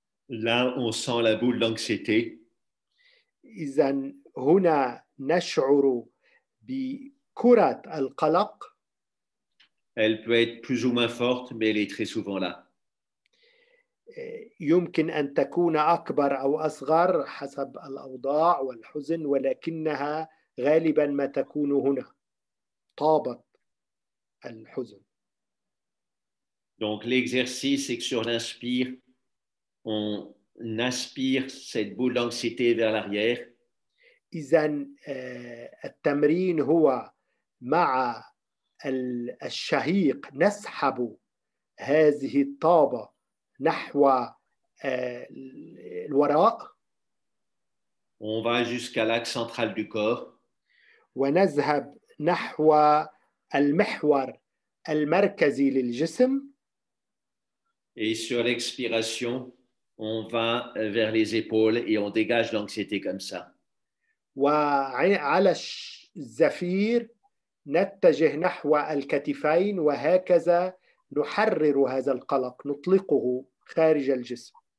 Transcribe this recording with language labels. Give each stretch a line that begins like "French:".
French: Là, on sent la boule d'anxiété.
Arabic: إذن هنا نشعر بكرة القلق.
French: Elle peut être plus ou moins forte, mais elle est très souvent là.
Arabic: يمكن أن تكون أكبر أو أصغر حسب الأوضاع والحزن ولكنها غالبا ما تكون هنا طابت الحزن.
French: Donc l'exercice est que sur l'inspire on aspire cette boule d'anxiété vers l'arrière.
Arabic: إذن التمرين هو مع الشهيق نسحب هذه الطابة نحو الوراء.
French: On va jusqu'à l'axe central du corps.
Arabic: ونذهب نحو المحور المركزي للجسم.
French: Et sur l'expiration, on va vers les épaules et on dégage l'anxiété comme ça.
Arabic: وعلى الزفير نتجه نحو الكتفين وهكذا نحرر هذا القلق نطلقه خارج الجسم.